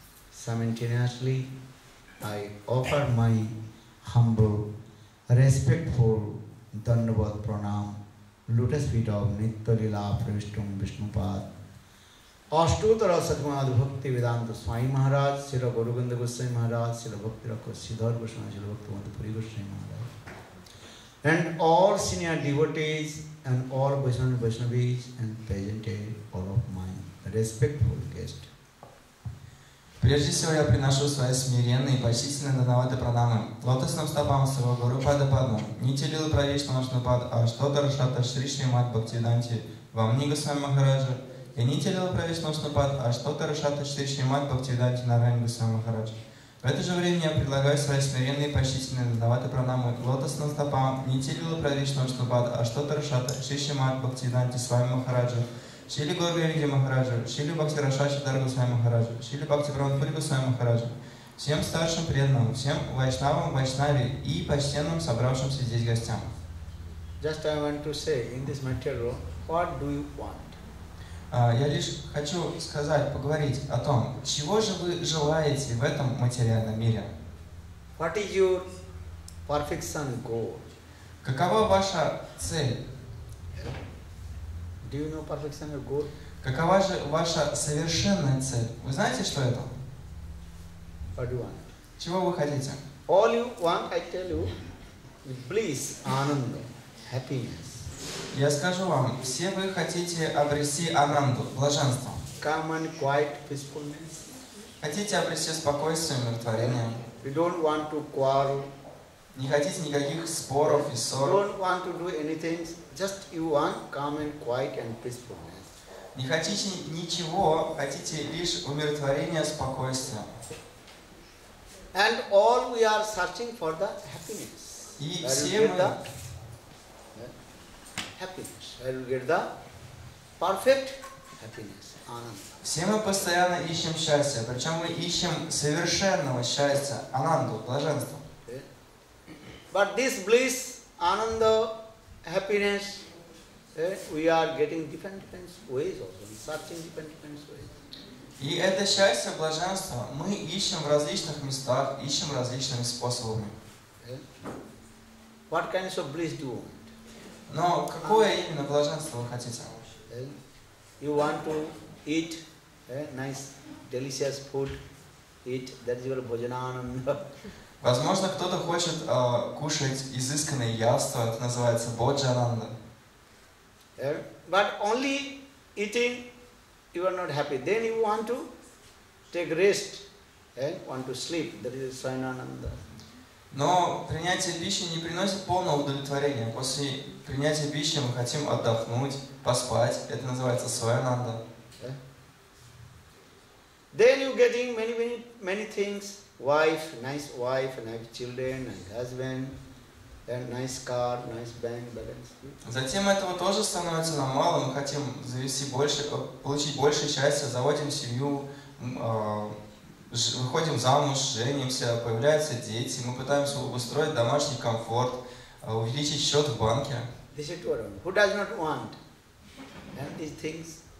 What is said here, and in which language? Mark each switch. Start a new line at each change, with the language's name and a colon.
English: Simultaneously, I offer my humble, respectful Dandavat Pranam, lotus feet of Nitya Lila Pravishtam Vishnupad, Ashtutara Sadhmad Bhakti Vedanta Swami Maharaj, Sira Gurugandha Goswami Maharaj, Sira Bhakti Rakha Siddhar Goswami, Sira Bhakti Madhupuri Goswami Maharaj, and all senior devotees and all Vaishnavi Vaishnavis and present here, all of my respectful guests.
Russian: Прежде всего я приношу свои смиренные и почтительные дандаваты пранамы. Лотосным стопам своего Гуру Пада Падма, Нитья Лила Правиштам Вишнупад, Аштодара Шата Шри Шримад Бхактиданти, Вамни Госвами Махараджа, и Нитья Лила Правиштам Вишнупад, Аштодара Шата Шри Шримад Бхактиданти, Нараян Госвами Махараджа. В это же время я предлагаю свои смиренные и почтительные дандаваты пранамы. Лотосным стопам Нитья Лила Правиштам Вишнупад, Аштодара Шата Шри Шримад Бхактиданти, Свами Махараджа, Шили Горгариди Махараджа, Шили Бхакти Рашачи Дарга Свами Махараджа, Шили Бхакти Брамадхурига Свами Махараджа, всем старшим преданным, всем вайшнавам, вайшнаве и почтенным собравшимся здесь гостям.
English: Just I want to say in this material room, what do you want?
Russian: Я лишь хочу сказать, поговорить о том, чего же вы желаете в этом материальном мире?
English: What is your perfection goal?
Russian: Какова ваша цель?
English: Do you know perfection or goal?
Russian: Какова же ваша совершенная цель? Вы знаете, что это?
English: What do you want?
Russian: Чего вы хотите?
English: All you want, I tell you, is bliss, ananda, happiness.
Russian: Я скажу вам, все вы хотите обрести ананду, блаженство.
English: Calm and quiet peacefulness.
Russian: Хотите обрести спокойствие, умиротворение.
English: You don't want to quarrel.
Russian: Не хотите никаких споров и ссор.
English: You don't want to do anything. Just you want calm and quiet and peacefulness.
Russian: Не хотите ничего, хотите лишь умиротворения, спокойствия.
English: And all we are searching for the happiness.
Russian: И все мы...
English: Happiness. I will get the perfect happiness. Ananda.
Russian: Все мы постоянно ищем счастье, причем мы ищем совершенного счастья, ананду, блаженство.
English: But this bliss, ananda, happiness, we are getting different ways also, searching different ways.
Russian: И это счастье, блаженство, мы ищем в различных местах, ищем различными способами.
English: What kind of bliss do you want?
Russian: Но какое именно блаженство вы хотите?
English: You want to eat nice, delicious food, eat, that is your bhojana ananda.
Russian: Возможно, кто-то хочет кушать изысканное яство, это называется боджананда.
English: But only eating you are not happy. Then you want to take rest, want to sleep. That is svayanananda.
Russian: Но принятие пищи не приносит полного удовлетворения. После принятия пищи мы хотим отдохнуть, поспать. Это называется svayananda.
English: Then you getting many things. Wife, nice wife, nice children, nice husband, and nice car, nice bank balance.
Russian: Затем этого тоже становится нам мало. Мы хотим завести больше, получить больше счастья, заводим семью, выходим замуж, женимся, появляются дети. Мы пытаемся обустроить домашний комфорт, увеличить счет в банке.
English: This is true. Who does not want these things?